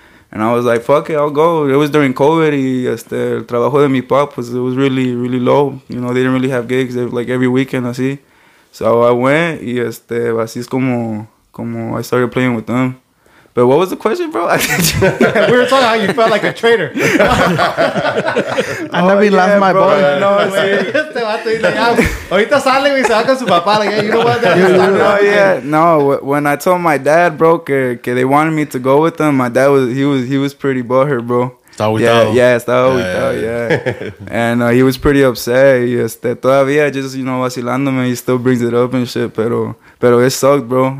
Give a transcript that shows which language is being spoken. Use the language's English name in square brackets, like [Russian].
[English] And I was like, fuck it, I'll go. It was during COVID, [Spanish] y este, el trabajo de mi pop [English] was, it was really, really low. You know, they didn't really have gigs, they, like, every weekend, así. So I went, [Spanish] y este, así es como [English] I started playing with them. But what was the question, bro? We were talking how you felt like a traitor. I never left my boy. [Spanish] No, ahorita sale y se va con su papá. [English] Like, you know what? No, when I told my dad, bro, que they wanted me to go with them, my dad was he was pretty butthurt, bro. And he was pretty upset. [Spanish] Este, todavía [English] just, you know, vacilándome. He still brings it up and shit, pero it sucked, bro.